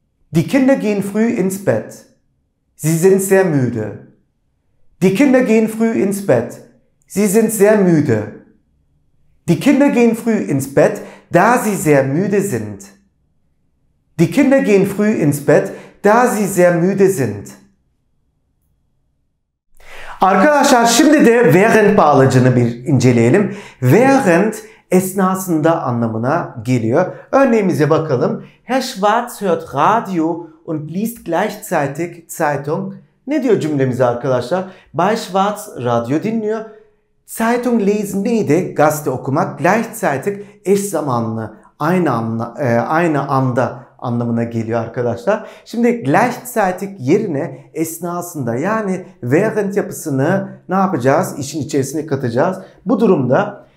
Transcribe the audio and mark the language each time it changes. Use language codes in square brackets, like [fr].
[de] Die Kinder gehen früh ins Bett. Sie sind sehr müde. Die Kinder gehen früh ins Bett. Sie sind sehr müde. Die Kinder gehen früh ins Bett, da sie sehr müde sind. Die Kinder gehen früh ins Bett, da sie sehr müde sind. [tr] Arkadaşlar şimdi de während bağlacını bir inceleyelim. Während esnasında anlamına geliyor. Örneğimize bakalım. [de] Herr Schwarz hört Radio und liest gleichzeitig Zeitung. [tr] Ne diyor cümlemiz arkadaşlar? Bay Schwarz radyo dinliyor. [de] Zeitung lesen [tr] neydi? Gazete okumak. Gleichzeitig eş zamanlı, aynı anda anlamına geliyor arkadaşlar. Şimdi gleichzeitig yerine esnasında yani während yapısını ne yapacağız? İşin içerisine katacağız. Bu durumda